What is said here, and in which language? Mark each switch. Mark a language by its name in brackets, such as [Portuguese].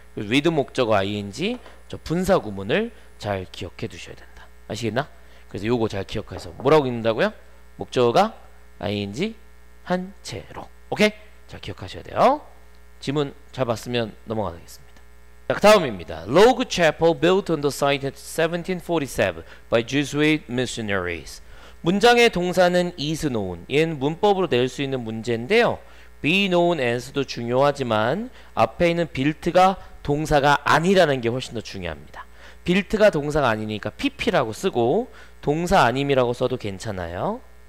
[Korean] with 목적어 ing 저 분사 구문을 잘 기억해 두셔야 된다. 아시겠나? 그래서 요거 잘 기억해서 뭐라고 읽는다고요? 목적어가 ing 한 채로. 오케이? 잘 기억하셔야 돼요. 지문 잘 봤으면 넘어가겠습니다. 자, 다음입니다. [English] Log chapel built on the site at 1747 by Jesuit missionaries. [Korean] 문장의 동사는 is known. 얘는 문법으로 낼 수 있는 문제인데요. be known as도 중요하지만 앞에 있는 built가 동사가 아니라는 게 훨씬 더 중요합니다. built가 동사가 아니니까 pp라고 쓰고 동사 아님이라고 써도 괜찮아요.